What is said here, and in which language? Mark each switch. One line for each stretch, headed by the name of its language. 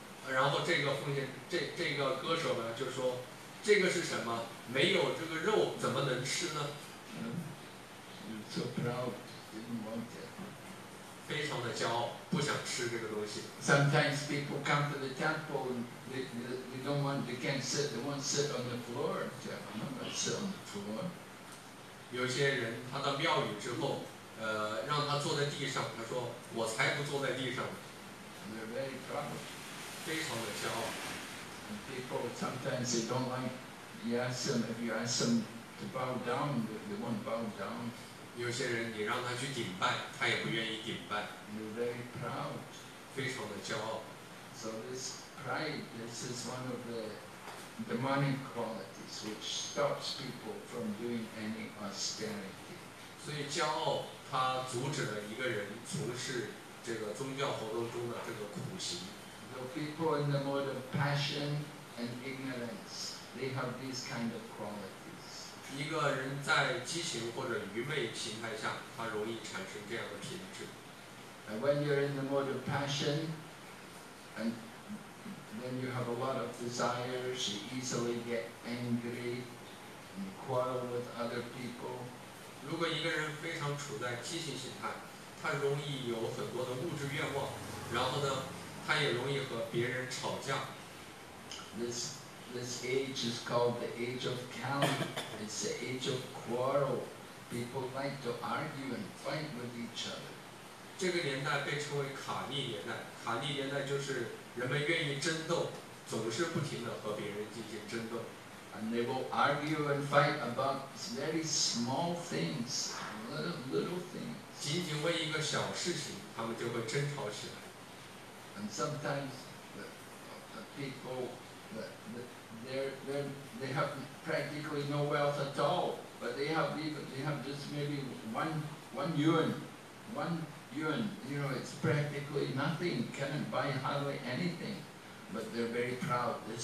Chinese: 然后这个奉献这个歌手呢就说，这个是什么？没有这个肉怎么能吃呢？
English: So proud, didn't want it.
Chinese: 非常的骄傲，不想吃这个东西。
English: Sometimes people come to the temple and they don't want, they can't sit, they won't sit on the floor. I'm not gonna sit on the floor.
Chinese: 有些人他到庙宇之后，让他坐在地上，他说我才不坐在地上。
English: They're very proud.
Chinese: 非常的骄傲。
English: And people sometimes they don't like. You ask them if you ask them to bow down, they won't bow down.
Chinese: 有些人你让他去顶拜，他也不愿意顶拜。
English: You're very proud.
Chinese: 非常的骄傲。
English: So this pride, this is one of the demonic qualities which stops people from doing any austerity.
Chinese: 所以骄傲它阻止了一个人从事这个宗教活动中的这个苦行。
English: So people in the mode of passion and ignorance, they have these kind of qualities.
Chinese: 一个人在激情或者愚昧形态下，他容易产生这样的品质。
English: And when you're in the mode of passion, and then you have a lot of desires, you easily get angry and quarrel with other people.
Chinese: 如果一个人非常处在激情形态，他容易有很多的物质愿望，然后呢？他也容易和别人吵架。
English: This age is called the age of calumny. It's the age of quarrel. People like to argue and fight with each other.
Chinese: 这个年代被称为卡利年代。卡利年代就是人们愿意争斗，总是不停地和别人进行争斗。
English: And they will argue and fight about very small things, little things.
Chinese: 仅仅为一个小事情，他们就会争吵起来。
English: And sometimes the people they have practically no wealth at all, but they have just maybe one yuan, you know, it's practically nothing, cannot buy hardly anything, but they're very proud.